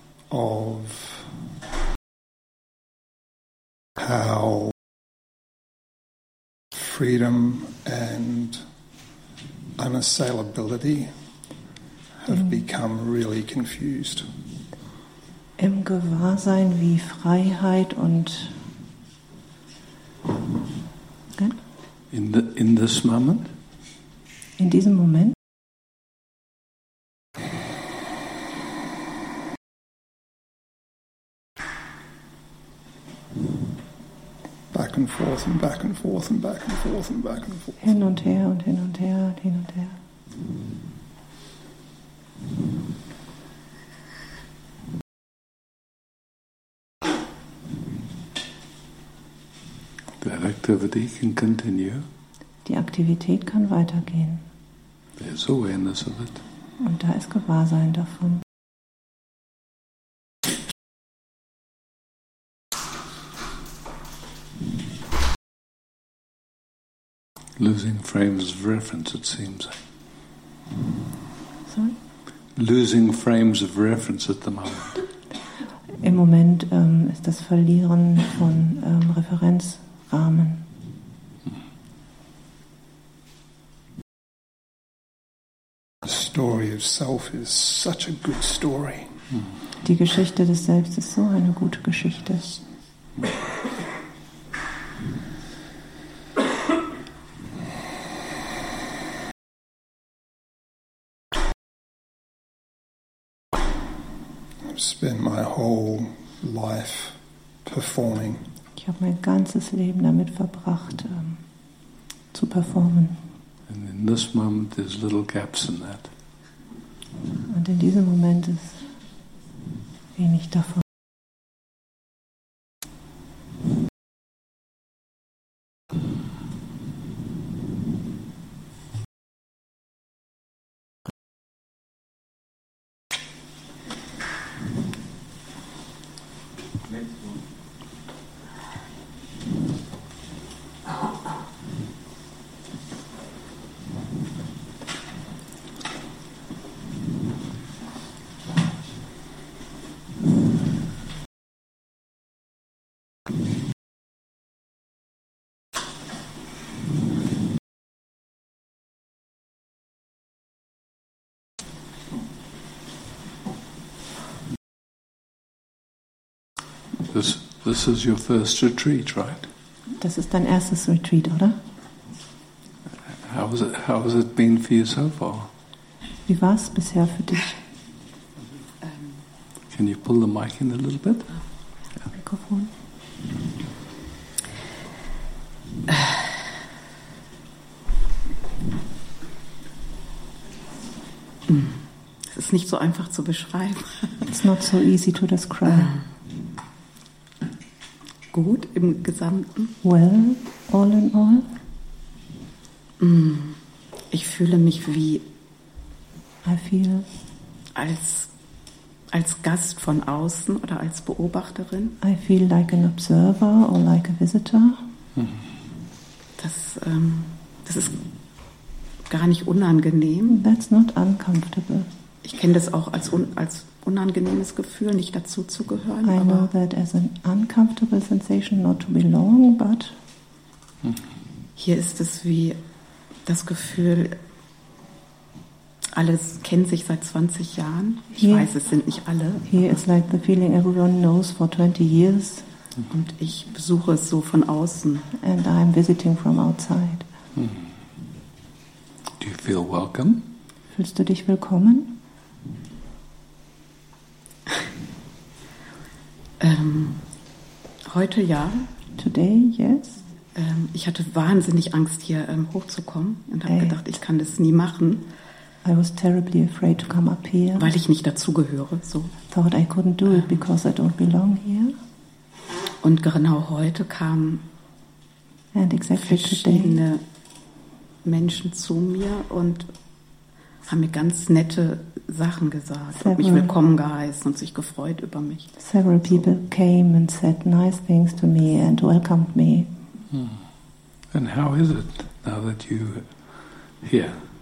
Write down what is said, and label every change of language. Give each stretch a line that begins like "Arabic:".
English: Of how freedom and unassailability have become really confused.
German: Im Gewahrsein, wie Freiheit und
English: in this moment.
German: In diesem Moment.
English: Back and forth and back and forth and back and forth and back and forth.
German: Hin und her und hin und her und hin und her.
English: The activity can continue.
German: Die Aktivität kann weitergehen.
English: There's awareness of it.
German: Und da ist Gewahrsein davon.
English: Losing frames of reference, it seems. Sorry? Losing frames of reference at the moment.
German: Im Moment ist das Verlieren von Referenzrahmen.
English: The story of self is such a good story.
German: Die Geschichte des Selbst ist so eine gute Geschichte.
English: Spend my whole life performing.
German: Ich habe mein ganzes Leben damit verbracht, zu performen.
English: And in this moment, there's little gaps in that.
German: Und in diesem Moment ist wenig davon.
English: This is your first retreat, right?
German: Das ist dein erstes Retreat, oder?
English: How has it been for you so far?
German: Wie war es bisher für dich?
English: Can you pull the mic in a little bit?
German: Mikrofon.
English: Yeah.
German: nicht so einfach zu beschreiben.
English: It's not so easy to describe.
German: Gut, im Gesamten.
English: Well, all in all.
German: Ich fühle mich wie...
English: I feel...
German: Als Gast von außen oder als Beobachterin.
English: I feel like an observer or like a visitor.
German: Das ist gar nicht unangenehm.
English: That's not uncomfortable.
German: Ich kenne das auch als unangenehmes Gefühl, nicht dazu zu gehören.
English: I know that as an uncomfortable sensation, not to belong, but...
German: Hier ist es wie das Gefühl... Alles kennt sich seit 20 Jahren. Ich weiß, es sind nicht alle.
English: Here it's like the feeling everyone knows for 20 years.
German: Und ich besuche es so von außen.
English: And I'm visiting from outside. Do you feel welcome?
German: Fühlst du dich willkommen? Heute ja.
English: Today, yes.
German: Ich hatte wahnsinnig Angst, hier hochzukommen. Und habe gedacht, ich kann das nie machen.
English: I was terribly afraid to come up here.
German: Weil ich nicht dazugehöre. So.
English: Thought I couldn't do it because I don't belong here.
German: Und genau heute kamen verschiedene Menschen zu mir und haben mir ganz nette Sachen gesagt.
English: Several,
German: mich willkommen geheißen und sich gefreut über mich.
English: Several people came and said nice things to me and welcomed me. And how is it now that you here?